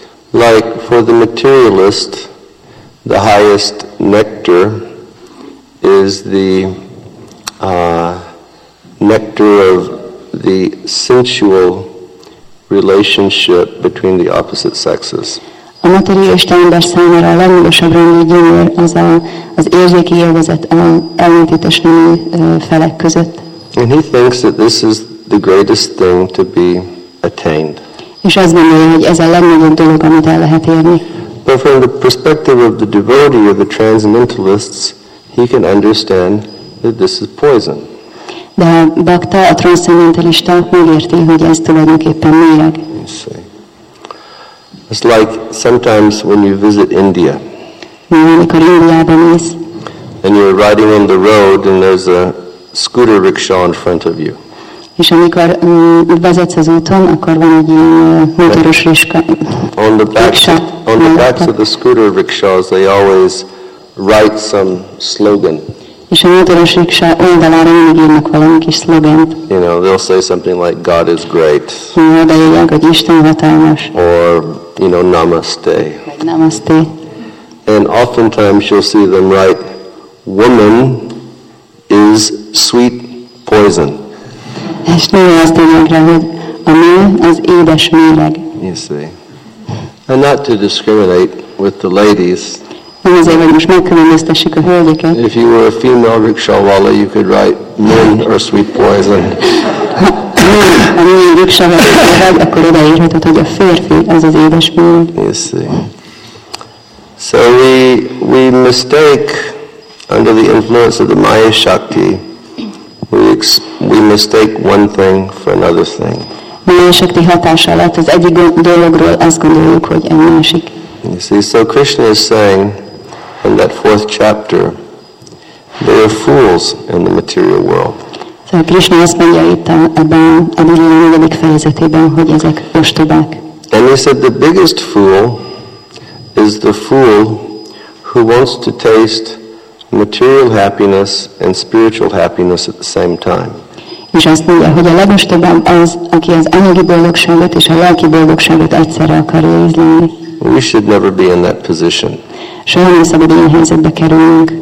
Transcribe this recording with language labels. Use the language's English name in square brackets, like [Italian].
[English] Like for the materialist, the highest nectar is the nectar of the sensual relationship between the opposite sexes. [Hungarian] A materialista ember számára a legmagasabb rendű gyümör az az érzéki élvezet ellentétes nemű felek között. [English] And he thinks that this is the greatest thing to be attained. [Hungarian] És azt gondolja, hogy ez a legnagyobb dolog, amit el lehet érni. [English] But from the perspective of the devotee or the transcendentalists, he can understand that this is poison. [Hungarian] De a bhakta, a transzcendentalista megérti, hogy ez tulajdonképpen méreg. [English] It's like sometimes when you visit India. [Hungarian] Amikor Indiába mész. [English] And you're riding on the road and there's a scooter rickshaw in front of you. [Hungarian] És amikor vezetsz az úton, akkor van egy motoros rickshaw. [English] On the backs of the scooter rickshaws, they always write some slogan. [Hungarian] És a motoros rickshaw oldalára mindig írnak valami kis szlogent. [English] You know, they'll say something like, God is great. [Hungarian] Odaírják, hogy Isten hatalmas. [English] Or, you know, namaste. [Hindi] Namaste. [English] And oftentimes you'll see them write, woman is sweet poison. [Hungarian] És nagyon azt mondják rá, hogy a nő az édes méreg. [English] You see. And not to discriminate with the ladies. [Hungarian] Nem azért, hogy most megkülönböztessük a hölgyeket. [English] If you were a female rickshawala, you could write, men are sweet poison. [Hungarian] Ha a női rickshawala, akkor odaírhatod, hogy a férfi az az édes méreg. [English] You see. So we mistake, under the influence of the Maya Shakti, we mistake one thing for another thing. [Hungarian] Másikti hatása alatt az egyik dologról azt gondoljuk, hogy egy másik. [English] You see, so Krishna is saying in that fourth chapter, they are fools in the material world. [Hungarian] So Krishna azt mondja itt ebben a negyedik fejezetében, hogy ezek ostobák. [English] And he said the biggest fool is the fool who wants to taste material happiness and spiritual happiness at the same time. [Hungarian] És azt mondja, hogy a legostobább az, aki az anyagi boldogságot és a lelki boldogságot egyszerre akarja ízlelni. [English] We should never be in that position. [Hungarian] Soha nem szabad ilyen helyzetbe kerülnünk.